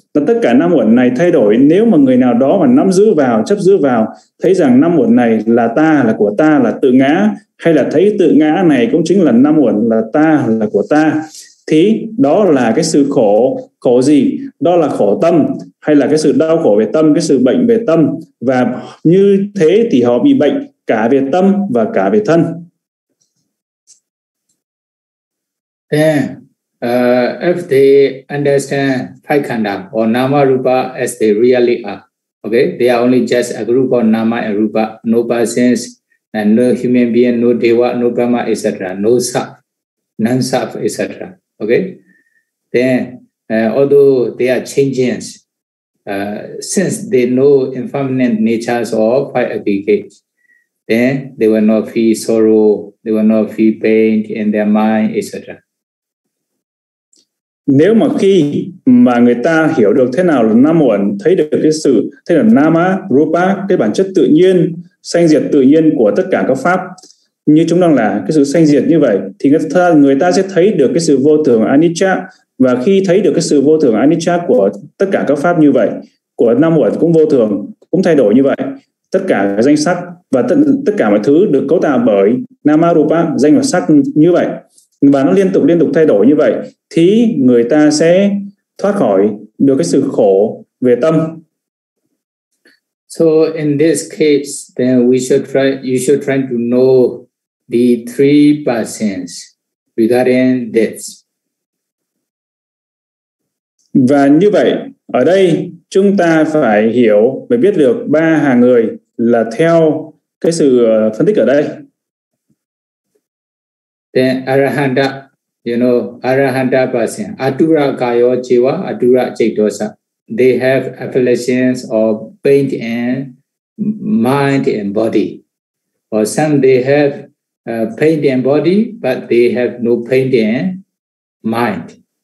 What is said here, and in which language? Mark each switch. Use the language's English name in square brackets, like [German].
[Vietnamese] Và tất cả năm uẩn này thay đổi, nếu mà người nào đó mà nắm giữ vào, chấp giữ vào, thấy rằng năm uẩn này là ta, là của ta, là tự ngã, hay là thấy tự ngã này cũng chính là năm uẩn, là ta, là của ta, thì đó là cái sự khổ. Khổ gì? Đó là khổ tâm, hay là cái sự đau khổ về tâm, cái sự bệnh về tâm. Và như thế thì họ bị bệnh cả về tâm và cả về thân. [English] Then, if they understand five khanda or nama rupa as they really are, okay, they are only just a group of nama and rupa, no persons, and no human being, no deva, no brahma, etc., no self, non-self, etc., okay, then although they are changing, since they know impermanent natures of five aggregates, then they will not feel sorrow, they will not feel pain in their mind, etc. [Vietnamese] Nếu mà khi mà người ta hiểu được thế nào là nam uẩn, thấy được cái sự, thấy là nama, rupa, cái bản chất tự nhiên, sanh diệt tự nhiên của tất cả các pháp, như chúng đang là cái sự sanh diệt như vậy, thì người ta sẽ thấy được cái sự vô thường anicca. Và khi thấy được cái sự vô thường anicca của tất cả các pháp như vậy, của năm uẩn cũng vô thường, cũng thay đổi như vậy, tất cả danh sắc và tất cả mọi thứ được cấu tạo bởi nama rupa, danh và sắc như vậy, và nó liên tục thay đổi như vậy, thì người ta sẽ thoát khỏi được cái sự khổ về tâm. [English] So in this case, then you should try to know the three persons regarding death. [Vietnamese] Và như vậy, ở đây chúng ta phải hiểu và biết được ba hàng người là theo cái sự phân tích ở đây. [English] Then Arahanta, you know, Arahanta person, [Pali] Atura Kayo Jiva, Atura Chaitosa, [English] they have affiliations of pain and mind and body. Or some they have paint and body, but they have no paint and mind.